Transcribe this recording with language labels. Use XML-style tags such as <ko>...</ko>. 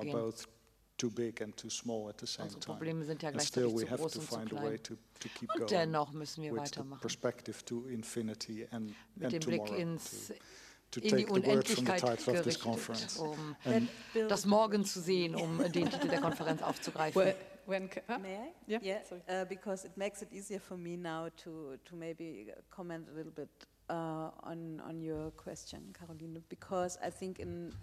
<en>Problems are both too big and too small at the same</en> <de>unsere Probleme</de> <en>time.</en> <de>Sind ja</de> <en>and still we</en> <de>zu</de> <en>have</en> <de>groß</de> <en>to</en> <de>und</de> <en>find</en> <de>klein.</de> <en>A way to keep</en> <de>und</de> <en>going</en> <de>müssen wir</de> <en>with</en> <de>weitermachen.</de> <en>The perspective to infinity and,</en> <de>mit</de> <en>and</en> <de>dem</de> <en>tomorrow</en> <de>Blick ins</de> <en>to take</en> <de>in</de> <en>the words from the title of this conference.</en> <de>Um das Morgen zu sehen, um den Titel der Konferenz aufzugreifen.</de> <en>Well, when may I? Yeah, yeah. Sorry. Because it makes it easier for me now to maybe comment a little bit on your question, Caroline, because I think in</en>